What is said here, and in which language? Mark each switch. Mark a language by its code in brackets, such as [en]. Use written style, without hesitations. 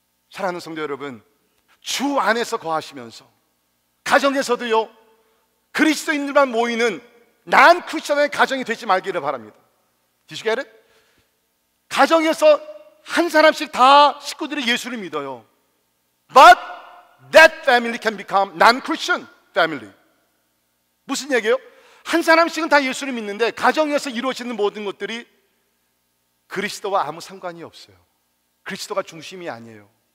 [ko] 사랑하는 성도 여러분, 주 안에서 거하시면서 가정에서도요, 그리스도인들만 모이는 난 크리스천의 가정이 되지 말기를 바랍니다. [en] Did you get it? [ko] 가정에서 한 사람씩 다 식구들이 예수를 믿어요. [en] But that family can become non-Christian family. [ko] 무슨 얘기예요? 한 사람씩은 다 예수를 믿는데 가정에서 이루어지는 모든 것들이 그리스도와 아무 상관이 없어요. 그리스도가 중심이 아니에요.